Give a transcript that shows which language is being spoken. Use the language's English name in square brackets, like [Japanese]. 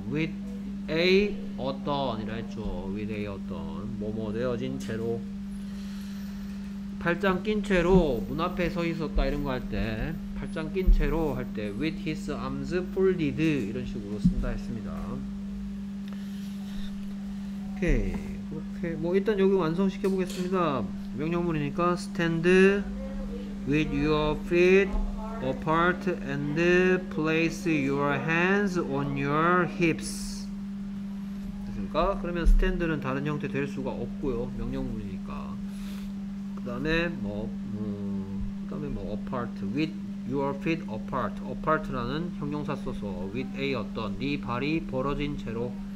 [Korean] With A 어떤 이라 했죠. With A 어떤 뭐뭐 되어진 채로 팔짱 낀 채로 문 앞에 서 있었다 이런 거 할 때 팔짱 낀 채로 할 때 With his arms folded 이런 식으로 쓴다 했습니다. 오케이. 오케이. 뭐 일단 여기 완성시켜 보겠습니다. [English] 명령문이니까 Stand with your feet apart and place your hands on your hips. [Korean] 그러면 스탠드는 다른 형태 될 수가 없고요. 명령문이니까. 그다음에 뭐 그다음에 뭐 apart with your feet apart. apart라는 형용사 써서 with a 어떤 네 발이 벌어진 채로.